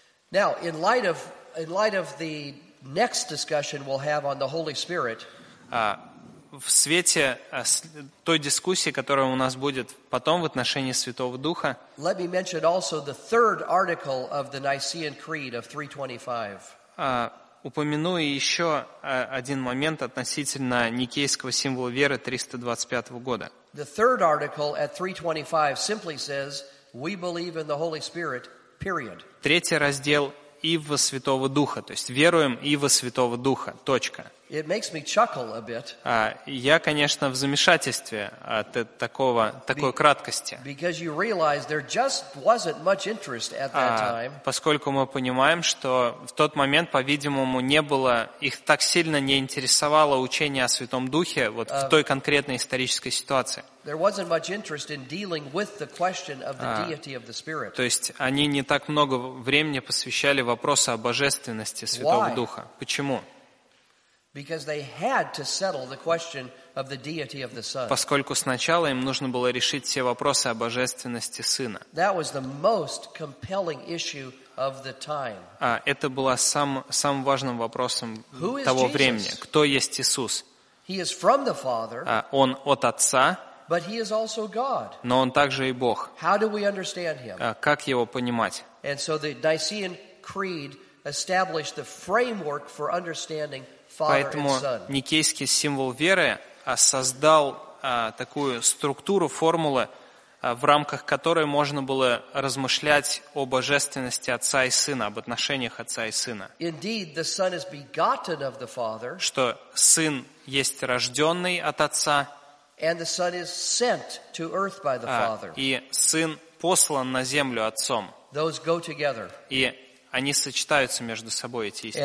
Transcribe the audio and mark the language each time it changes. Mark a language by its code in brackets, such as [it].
[en] Now, in light of the next discussion we'll have on the Holy Spirit, [ru] в свете той дискуссии, которая у нас будет потом в отношении Святого Духа, [en] let me mention also the third article of the Nicene Creed of 325. [ru] Упомяну еще один момент относительно Никейского символа веры 325 года. [en] The third article at 325 simply says, "We believe in the Holy Spirit." Period. [ru] Третий раздел и во Святого Духа, то есть веруем и во Святого Духа. Точка. [en] It makes me chuckle a bit. [ru] Я, конечно, в замешательстве от такой краткости. [en] Because you realize there just wasn't much interest at that time. [ru] Поскольку мы понимаем, что в тот момент, по-видимому, не было их так сильно не интересовало учение о Святом Духе вот в той конкретной исторической ситуации. [en] There wasn't much interest in dealing with the question of the deity of the Spirit. [ru] То есть они не так много времени посвящали вопросу о божественности Святого Духа. Почему? [en] Because they had to settle the question of the deity of the Son. [ru] Поскольку сначала им нужно было решить все вопросы о божественности Сына. [en] That was the most compelling issue of the time. [ru] Это было самым важным вопросом того времени. Кто есть Иисус? [en] He is from the Father. [ru] Он от Отца. [en] But he is also God. [ru] Но он также и Бог. [en] How do we understand him? [ru] Как его понимать? [en] And so the Nicene Creed established the framework for understanding Father [ru] Поэтому [en] and Son. [ru] Поэтому никейский символ веры создал такую структуру, формулы, в рамках которой можно было размышлять о божественности Отца и Сына, об отношениях Отца и Сына. [en] Indeed, the Son is begotten of the Father. [ru] Что Сын есть рожденный от Отца. [en] And the Son is sent to earth by the Father. [ru] И Сын послан на землю Отцом. [en] Those go together. [ru] И они сочетаются между собой, эти истины.